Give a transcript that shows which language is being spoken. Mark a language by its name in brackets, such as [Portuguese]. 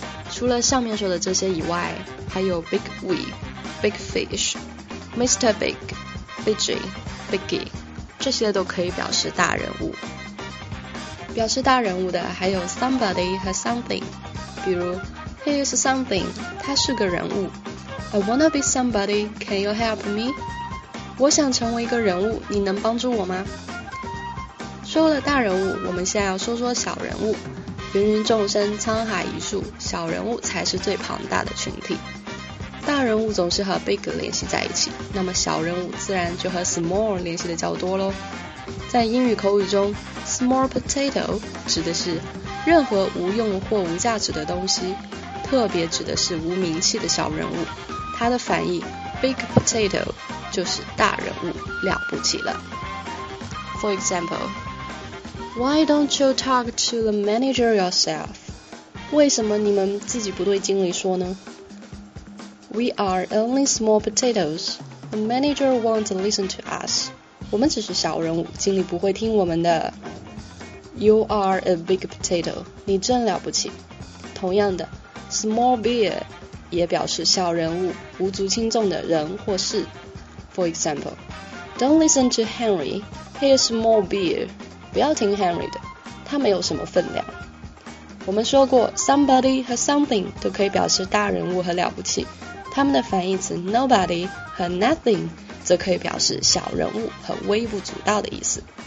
[Chinese] 除了上面说的这些以外，还有 Big Wee, Big Fish, Mr. Big, Biggie, Biggie, 这些都可以表示大人物。表示大人物的还有 Somebody 和 Something, 比如 [English] He is something, [Chinese] 他是个人物。 [English] I wanna be somebody, can you help me? [Chinese] 我想成为一个人物，你能帮助我吗？说了大人物，我们现在要说说小人物。芸芸众生，沧海一粟，小人物才是最庞大的群体。大人物总是和 big 联系在一起，那么小人物自然就和 small 联系的较多咯。在英语口语中， small potato 指的是任何无用或无价值的东西，特别指的是无名气的小人物。它的反义 big potato 就是大人物，了不起了。 [English] For example,Why don't you talk to the manager yourself? [Chinese] 为什么你们自己不对经理说呢？ [English] We are only small potatoes. The manager won't listen to us. [Chinese] 我们只是小人物，经理不会听我们的。 [English] You are a big potato. [Chinese] 你真了不起。同样的， small beer 也表示小人物，无足轻重的人或事。 [English] For example, Don't listen to Henry. He is small beer. [Chinese] 不要听 Henry 的，他没有什么分量。我们说过 somebody 和 something 都可以表示大人物和了不起，他们的反义词 nobody 和 nothing 则可以表示小人物和微不足道的意思。